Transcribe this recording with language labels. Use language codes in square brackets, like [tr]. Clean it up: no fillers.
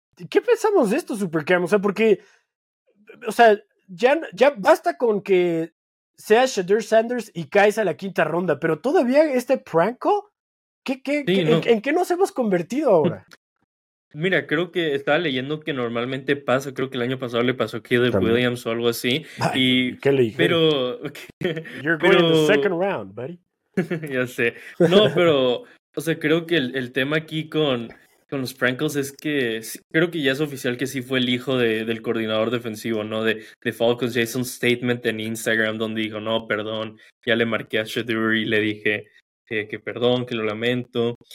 [es] ¿Qué pensamos de esto, Supercam? O sea, porque, o sea, ya basta con que sea Shedeur Sanders y caes a la quinta ronda, pero todavía este pranko, ¿en qué nos hemos convertido ahora? Mira, creo que estaba leyendo que normalmente pasa, creo que el año pasado le pasó a Caleb Williams o algo así. Ay, y, ¿qué le dije? Pero, [en] you're going to the second round, buddy. [es] Ya sé. No, pero, o sea, creo que el tema aquí con los prankles es que creo que ya es oficial que sí fue el hijo del coordinador defensivo, ¿no? De Falcons, ya hizo un statement en Instagram donde dijo, no, perdón, ya le marqué a Shedeur y le dije que perdón, que lo lamento.